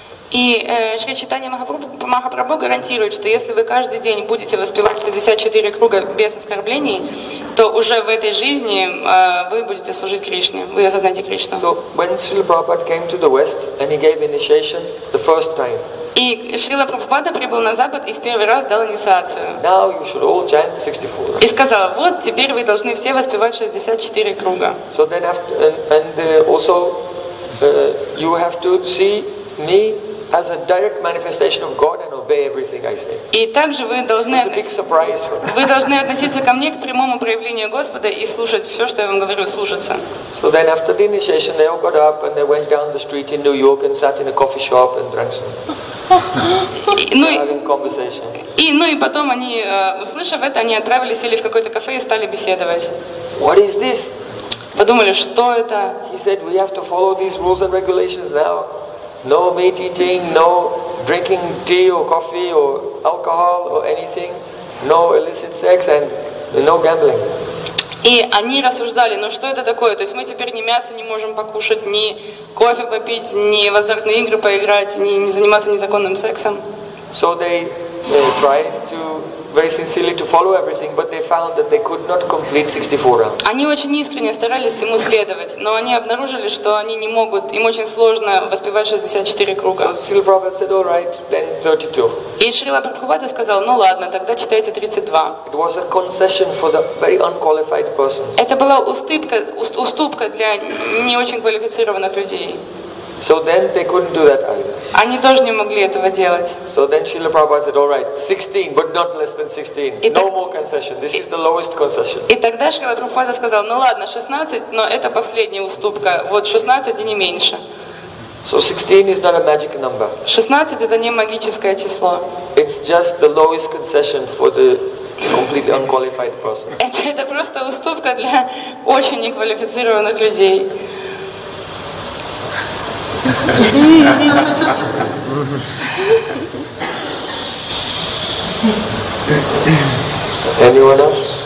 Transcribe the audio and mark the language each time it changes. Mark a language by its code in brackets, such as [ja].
[ru] И Шри Чайтанья Махапрабху гарантирует, что если вы каждый день будете воспевать 64 круга без оскорблений, то уже в этой жизни вы будете служить Кришне, вы осознаете Кришну. [en] So when Srila Prabhupada came to the West and he gave initiation the first time. [ru] И Шрила Прабхупада прибыл на Запад и в первый раз дал инициацию. [en] Now you should all chant 64 rounds. [ru] И сказал, вот теперь вы должны все воспевать 64 круга. [en] So then after, and also you have to see me as a direct manifestation of God and obey everything I say. [ru] И также вы должны вы должны относиться ко мне к прямому проявлению Господа и слушать все, что я вам говорю, слушаться. [en] So then after the initiation, they all got up and they went down the street in New York and sat in a coffee shop and drank some. [ru] И потом они, услышав это, они отправились, сели в какое-то кафе и стали беседовать. [en] What is this? [ru] Подумали, что это? [en] He said, we have to follow these rules and regulations now. No meat eating, no drinking tea or coffee or alcohol or anything. No illicit sex and no gambling. [ru] И они рассуждали, ну что это такое? То есть мы теперь ни мясо не можем покушать, ни кофе попить, ни в азартные игры поиграть, ни не заниматься незаконным сексом. [en] So they tried to very sincerely to follow everything, but they found that they could not complete 64 rounds. [ru] Они очень искренне старались всему следовать, но они обнаружили, что они не могут, им очень сложно воспевать 64 круга. [en] So Srila Prabhupada said, all right, then 32. [ru] И Шрила Прабхупада сказал, ну ладно, тогда читайте 32. [en] It was a concession for the very unqualified persons. [ru] Это была уступка для не очень квалифицированных людей. [en] So then they couldn't do that either. [ru] Они тоже не могли этого делать. [en] So then Srila Prabhupada said, all right, 16, but not less than 16. No more concession. This is the lowest concession. [ru] И тогда Шрила Прабхупада сказал, ну ладно, 16, но это последняя уступка. Вот 16 и не меньше. [en] So 16 is not a magic number. [ru] 16 это не магическое число. [en] It's just the lowest concession for the completely unqualified person. [ru] Это просто уступка для очень неквалифицированных людей. [en] Anyone else?